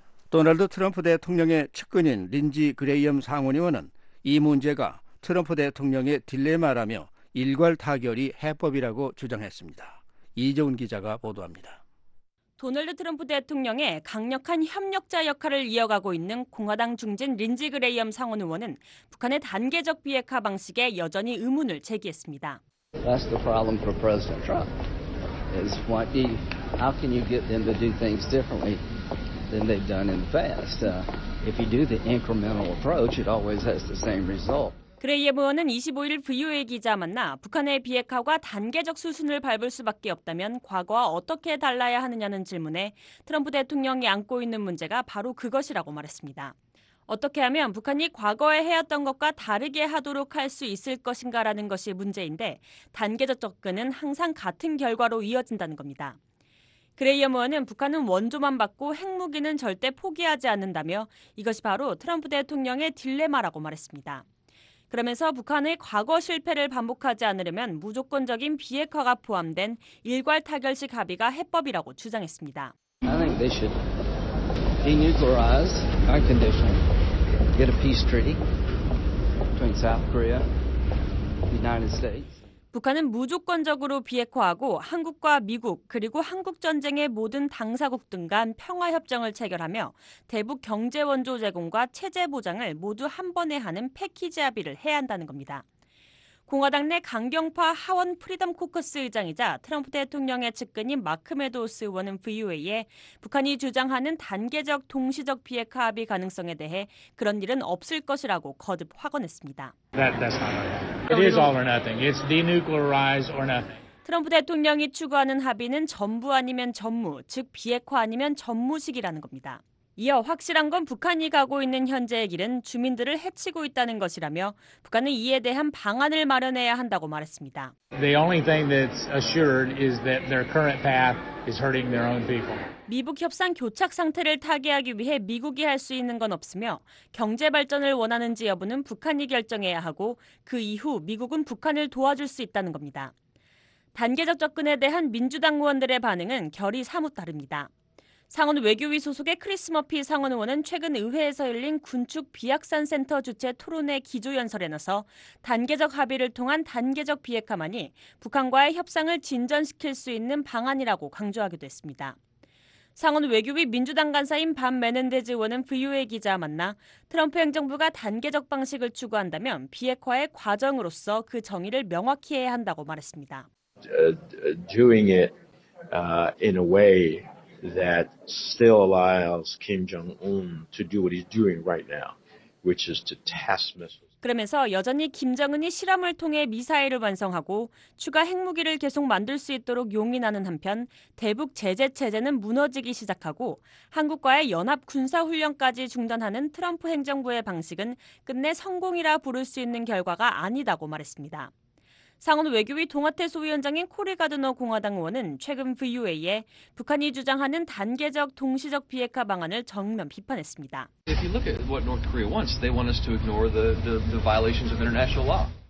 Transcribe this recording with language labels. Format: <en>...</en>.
<ko>도널드 트럼프 대통령의 측근인 린지 그레이엄 상원의원은 이 문제가 트럼프 대통령의 딜레마라며 일괄 타결이 해법이라고 주장했습니다. 이정훈 기자가 보도합니다. 도널드 트럼프 대통령의 강력한 협력자 역할을 이어가고 있는 공화당 중진 린지 그레이엄 상원 의원은 북한의 단계적 비핵화 방식에 여전히 의문을 제기했습니다.</ko> <en>That's the problem for President Trump. Is what he, how can you get them to do things differently than they've done in the past? If you do the incremental approach, it always has the same result.</en> <ko>그레이엄 의원은 25일 VOA 기자 만나 북한의 비핵화가 단계적 수순을 밟을 수밖에 없다면 과거와 어떻게 달라야 하느냐는 질문에 트럼프 대통령이 안고 있는 문제가 바로 그것이라고 말했습니다. 어떻게 하면 북한이 과거에 해왔던 것과 다르게 하도록 할 수 있을 것인가라는 것이 문제인데 단계적 접근은 항상 같은 결과로 이어진다는 겁니다. 그레이엄 의원은 북한은 원조만 받고 핵무기는 절대 포기하지 않는다며 이것이 바로 트럼프 대통령의 딜레마라고 말했습니다. 그러면서 북한의 과거 실패를 반복하지 않으려면 무조건적인 비핵화가 포함된 일괄 타결식 합의가 해법이라고 주장했습니다.</ko> <en>I think they should denuclearize by condition, get a peace treaty between South Korea, the United States.</en> <ko>북한은 무조건적으로 비핵화하고 한국과 미국 그리고 한국전쟁의 모든 당사국 등 간 평화협정을 체결하며 대북 경제원조 제공과 체제 보장을 모두 한 번에 하는 패키지 합의를 해야 한다는 겁니다. 공화당 내 강경파 하원 프리덤 코커스 의장이자 트럼프 대통령의 측근인 마크 메도스 의원은 VOA에 북한이 주장하는 단계적 동시적 비핵화 합의 가능성에 대해 그런 일은 없을 것이라고 거듭 확언했습니다.</ko> <en>That's not right. It is all or nothing. It's denuclearize or nothing.</en> <ko>트럼프 대통령이 추구하는 합의는 전부 아니면 전무, 즉 비핵화 아니면 전무식이라는 겁니다. 이어 확실한 건 북한이 가고 있는 현재의 길은 주민들을 해치고 있다는 것이라며 북한은 이에 대한 방안을 마련해야 한다고 말했습니다.</ko> <en>The only thing that's assured is that their current path is hurting their own people.</en> <ko>미북 협상 교착 상태를 타개하기 위해 미국이 할 수 있는 건 없으며 경제 발전을 원하는지 여부는 북한이 결정해야 하고 그 이후 미국은 북한을 도와줄 수 있다는 겁니다. 단계적 접근에 대한 민주당 의원들의 반응은 결이 사뭇 다릅니다. 상원 외교위 소속의 크리스 머피 상원 의원은 최근 의회에서 열린 군축 비확산 센터 주최 토론회 기조연설에 나서 단계적 합의를 통한 단계적 비핵화만이 북한과의 협상을 진전시킬 수 있는 방안이라고 강조하기도 했습니다. 상원 외교위 민주당 간사인 밤 메넨데즈 의원은 VOA 기자와 만나 트럼프 행정부가 단계적 방식을 추구한다면 비핵화의 과정으로서 그 정의를 명확히 해야 한다고 말했습니다.</ko> <en>Doing it in a way that still allows Kim Jong-un to do what he's doing right now, which is to test missiles.</en> <ko>그러면서 여전히 김정은이 실험을 통해 미사일을 완성하고 추가 핵무기를 계속 만들 수 있도록 용인하는 한편 대북 제재 체제는 무너지기 시작하고 한국과의 연합 군사 훈련까지 중단하는 트럼프 행정부의 방식은 끝내 성공이라 부를 수 있는 결과가 아니다고 말했습니다. 상원 외교위 동아태 소위원장인 코리 가드너 공화당 의원은 최근 VOA에 북한이 주장하는 단계적 동시적 비핵화 방안을 정면 비판했습니다.</ko> <en>If you look at what North Korea wants, they want us to ignore the violations of international law.</en>